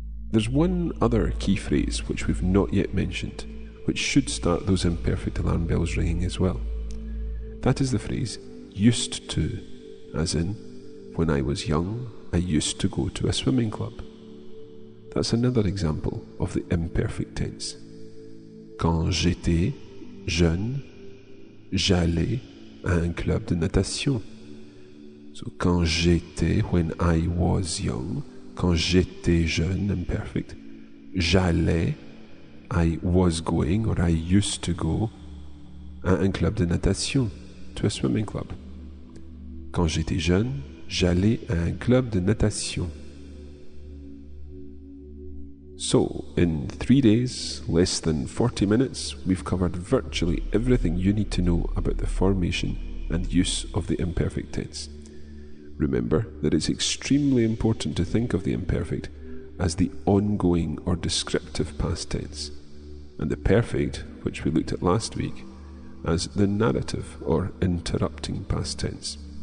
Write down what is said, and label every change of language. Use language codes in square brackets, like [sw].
[en] There's one other key phrase which we've not yet mentioned, which should start those imperfect alarm bells ringing as well. That is the phrase used to, as in, when I was young, I used to go to a swimming club. That's another example of the imperfect tense. [fr] Quand j'étais jeune, j'allais à un club de natation. [en] So, [fr] quand j'étais, [en] when I was young, [fr] quand j'étais jeune, [en] imperfect, [fr] j'allais, [en] I was going, or I used to go, [fr] à un club de natation, [en] to a swimming club. [fr] Quand j'étais jeune, j'allais à un club de natation. [en] So, in 3 days, less than 40 minutes, we've covered virtually everything you need to know about the formation and use of the imperfect tense. Remember that it's extremely important to think of the imperfect as the ongoing or descriptive past tense, and the perfect, which we looked at last week, as the narrative or interrupting past tense.